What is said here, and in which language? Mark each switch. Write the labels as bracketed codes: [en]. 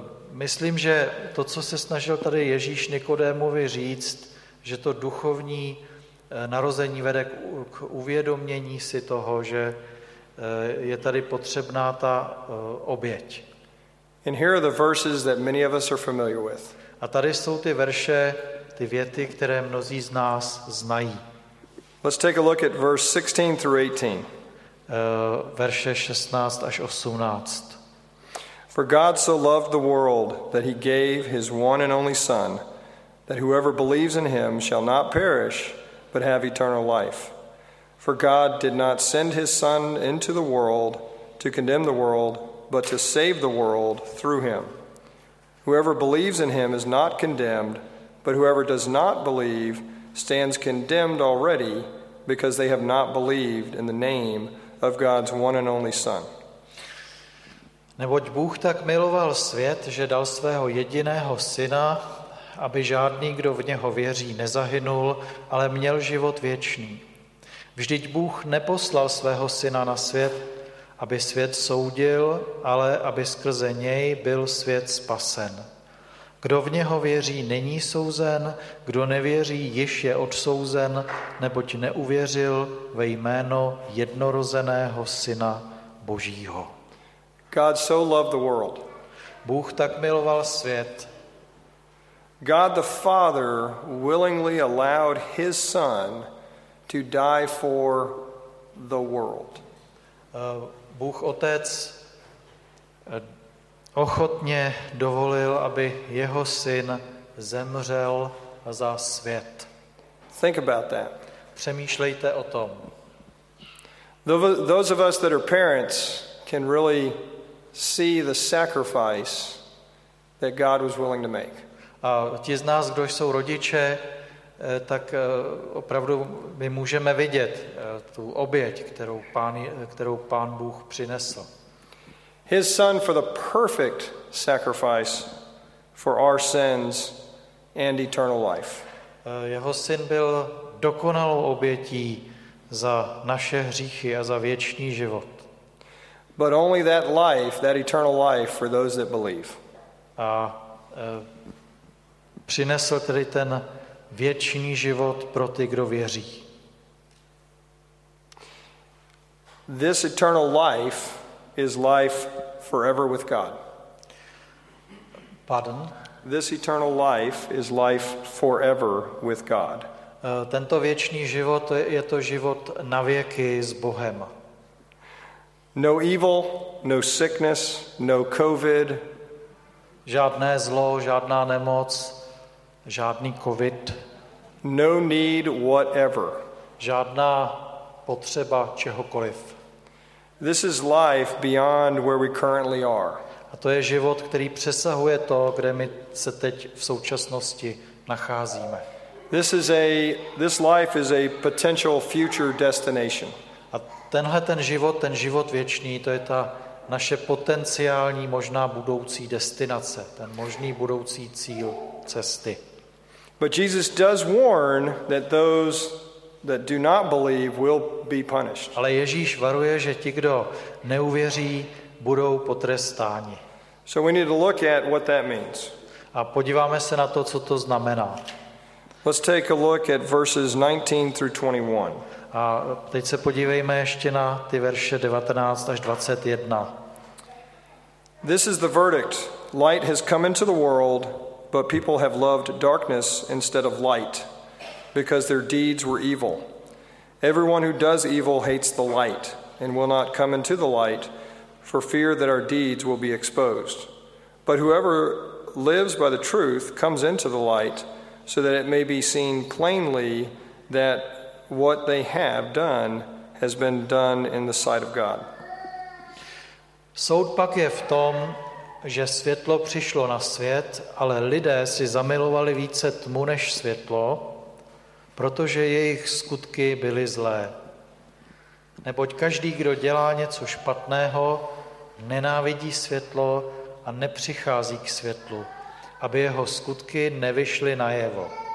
[cs] Myslím, že to, co se snažil tady Ježíš Nikodémovi říct, že to duchovní narození vede k uvědomění si toho, že je tady potřebná ta oběť. [en] And here are the verses that many of us are familiar with. [cs] A tady jsou ty verše, ty věty, které mnozí z nás znají. [en] Let's take a look at verse 16 through 18. [cs] Verše 16 až 18. [en] For God so loved the world that he gave his one and only son, that whoever believes in him shall not perish, but have eternal life. For God did not send his son into the world to condemn the world, but to save the world through him. Whoever believes in him is not condemned, but whoever does not believe stands condemned already, because they have not believed in the name of God's one and only Son. [cs] Neboť Bůh tak miloval svět, že dal svého jediného syna, aby žádný, kdo v něho věří, nezahynul, ale měl život věčný. Vždyť Bůh neposlal svého syna na svět, aby svět soudil, ale aby skrze něj byl svět spasen. Kdo v něho věří, není souzen, kdo nevěří, již je odsouzen, neboť neuvěřil ve jméno jednorozeného Syna Božího. [en] God so loved the world. [cs] Bůh tak miloval svět. [en] God the Father willingly allowed his Son to die for the world. [cs] Bůh Otec ochotně dovolil, aby jeho syn zemřel za svět. [en] Think about that. [cs] Přemýšlejte o tom. [en] Those of us that are parents can really see the sacrifice that God was willing to make. [cs] A ti z nás, kdo jsou rodiče, tak opravdu my můžeme vidět tu oběť, kterou pán Bůh přinesl. [en] His son for the perfect sacrifice for our sins and eternal life. [cs] Jeho syn byl dokonalou obětí za naše hříchy a za věčný život. [en] But only that life, that eternal life for those that believe. [cs] A přinesl tedy ten věčný život pro ty, kdo věří. [en] This eternal life is life forever with God. [cs] Pardon? [en] This eternal life is life forever with God. [cs] Tento věčný život je to život na věky s Bohem. [en] No evil, no sickness, no COVID. [cs] Žádné zlo, žádná nemoc, žádný COVID. [en] No need whatever. [cs] Žádná potřeba čehokoliv. [en] This is life beyond where we currently are. [cs] A to je život, který přesahuje to, kde my se teď v současnosti nacházíme. [en] This life is a potential future destination. [cs] A tenhle ten život věčný, to je ta naše potenciální možná budoucí destinace, ten možný budoucí cíl cesty. [en] But Jesus does warn that those that do not believe will be punished. [cs] Ale Ježíš varuje, že ti, kdo neuvěří, budou potrestáni. [en] So we need to look at what that means. [cs] A podíváme se na to, co to znamená. [en] Let's take a look at verses 19 through 21. [cs] A teď se podívejme ještě na ty verše 19 až 21. [en] This is the verdict. Light has come into the world, but people have loved darkness instead of light, because their deeds were evil. Everyone who does evil hates the light and will not come into the light for fear that our deeds will be exposed. But whoever lives by the truth comes into the light so that it may be seen plainly that what they have done has been done in the sight of God. [cs] Soud pak je v tom, že světlo přišlo na svět, ale lidé si zamilovali více tmu než světlo, protože jejich skutky byly zlé. Neboť každý, kdo dělá něco špatného, nenávidí světlo a nepřichází k světlu, aby jeho skutky nevyšly najevo.